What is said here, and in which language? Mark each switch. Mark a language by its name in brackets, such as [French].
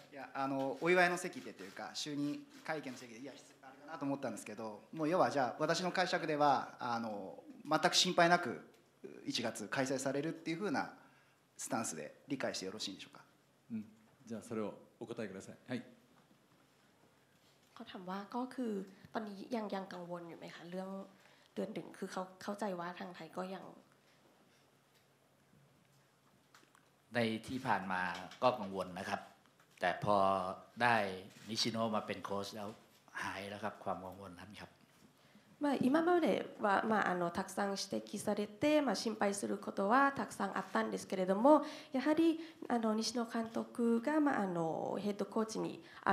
[Japanese] いや、お祝いの席でというか就任会見の席で、いや、あれかなと思ったんですけど、もう要はじゃあ私の解釈では全く心配なく1月開催されるっていうふうなスタンスで理解してよろしいんでしょうか。うん、じゃあそれをお答えください。はい、 [Thai] เขาถามว่าก็คือตอนนี้ยังกังวลอยู่ไหมคะเรื่องเดือนหนึ่งคือเข้าใจว่าทางไทยก็ยัง ในที่ผ่านมาก็กังวลนะครับแต่พอได้นิชิโนมาเป็นโค้ชแล้วหายแล้วครับความกังวลนั้นครับ [Japanese] มา今まではたくさん指摘されて心配することはたくさんあったんですけれども、やはり西野監督がヘッドコーチに